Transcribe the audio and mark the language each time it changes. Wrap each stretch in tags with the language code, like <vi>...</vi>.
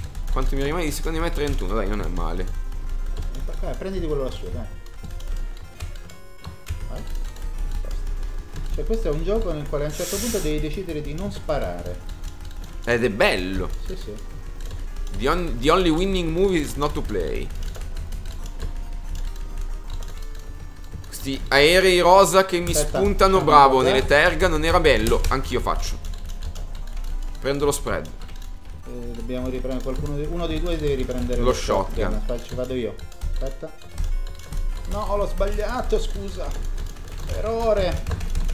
<it>Quanto mi rimane? Secondo me 31, dai, non è male. Prenditi quello lassù, dai. Cioè questo è un gioco nel quale a un certo punto devi decidere di non sparare. Ed è bello. Sì, sì.</it> <en>The only winning movie is not to play.</en> <it>Questi aerei rosa che mi spuntano, bravo, nelle terga, non era bello, anch'io faccio. Prendo lo spread. Dobbiamo riprendere qualcuno, uno dei due deve riprendere lo shotgun. Ci vado io, aspetta. No, l'ho sbagliato, scusa. Errore.</it>